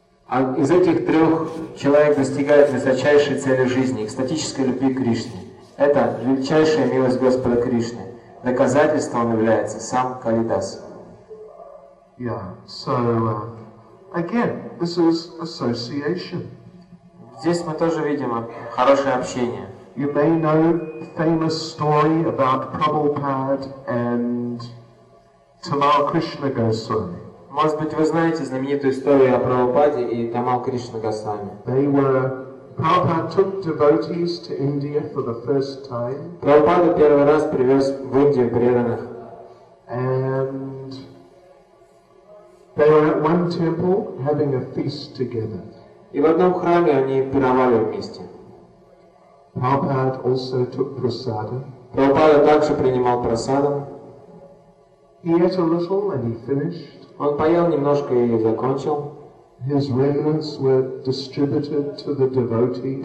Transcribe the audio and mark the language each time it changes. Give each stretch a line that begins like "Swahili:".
Russian: Из этих трех человек достигает высочайшей цели жизни, экстатической любви к Кришне. Это величайшая милость Господа Кришны. Доказательством является сам Калидас.
English: Yeah, so again, this is association.
Russian: Здесь мы тоже видим хорошее общение.
English: You may know the famous story about Prabhupada and Tamal Krishna Goswami.
Russian: Может быть, вы знаете знаменитую историю о Прабхупаде и Тамал Кришна Госвами.
English: Prabhupada took devotees to India for the first time.
Russian: Прабхупада первый раз привез в Индию преданных.
English: And they were at one temple having a feast together.
Russian: И в одном храме они пировали вместе.
English: Prabhupada also took prasada.
Russian: Прабхупада также принимал прасадам.
English: He ate a little and he finished.
Russian: Он поел немножко и закончил.
English: His remnants were distributed to the devotees.